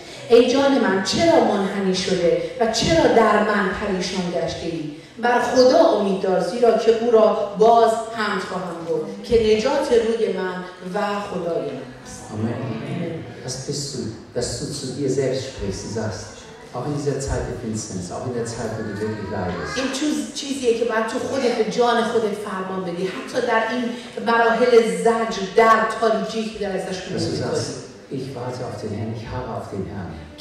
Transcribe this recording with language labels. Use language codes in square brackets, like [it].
[fa] ای جان من چرا منحنی شده و چرا در من پریشان گشته ای؟ بر خدا امید دار زیرا که او را باز حمد خواهم برد که نجات روی من و خدای من است. آمین. [de] Das bist du, dass du zu dir selbst sprichst, du sagst, auch in dieser Zeit der Finsternis, auch in der Zeit, wo du wirklich leidest. [fa] این چیزیه که بعد تو خودت به جان خودت فرمان بدی حتی در این مراحل زجر در تاریکی که در ازش میگذری. [de] Ich warte auf den Herrn, ich harre auf den Herrn.